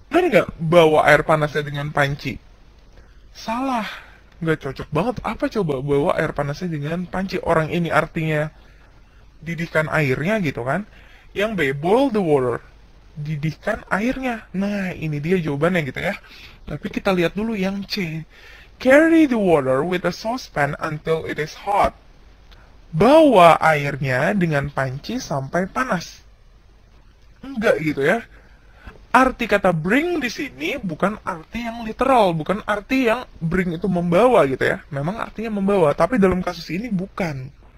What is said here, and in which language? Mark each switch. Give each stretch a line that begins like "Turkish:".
Indonesian: Benar nggak bawa air panasnya dengan panci? Salah. Nggak cocok banget. Apa coba bawa air panasnya dengan panci? Orang ini artinya didihkan airnya gitu kan. Yang B,
English: boil the water.
Indonesian: Didihkan airnya. Nah, ini dia jawabannya gitu ya. Tapi kita lihat dulu yang C.
English: Carry the water with a saucepan until it is hot.
Indonesian: Bawa airnya dengan panci sampai panas. Enggak gitu ya. Arti kata bring di sini bukan arti yang literal. Bukan arti yang bring itu membawa gitu ya. Memang artinya membawa. Tapi dalam kasus ini bukan.